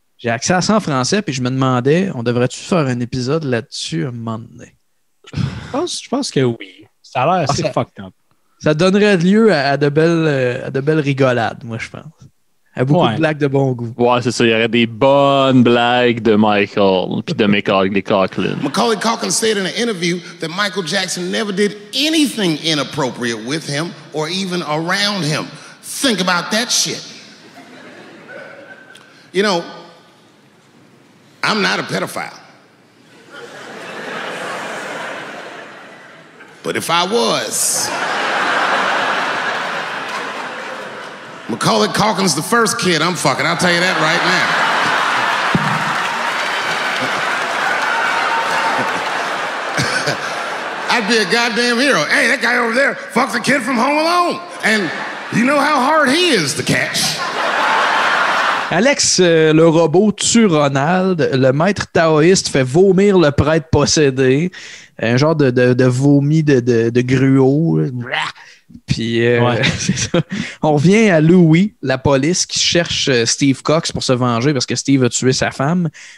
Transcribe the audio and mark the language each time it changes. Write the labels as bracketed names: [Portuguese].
[French] J'ai accès à ça en français, puis je me demandais, on devrait-tu faire un épisode là-dessus un moment donné? Je pense que oui. Ça a l'air assez fucked up. Ça donnerait lieu à de belles rigolades, moi, je pense. À beaucoup de blagues de bon goût. Ouais, c'est ça. Il y aurait des bonnes blagues de Michael puis de Macaulay Culkin. [English] Macaulay Culkin said in an interview that Michael Jackson never did anything inappropriate with him or even around him. Think about that shit. You know, I'm not a pedophile. But if I was... Macaulay Culkin's the first kid I'm fucking. I'll tell you that right now. I'd be a goddamn hero. Hey, that guy over there fucked a kid from Home Alone. And you know how hard he is to catch. [French] Alex, le robot tue Ronald. Le maître taoïste fait vomir le prêtre possédé. Un genre de vomi de gruau. Blah. Puis, on revient à Louis, la police, qui cherche Steve Cox pour se venger parce que Steve a tué sa femme.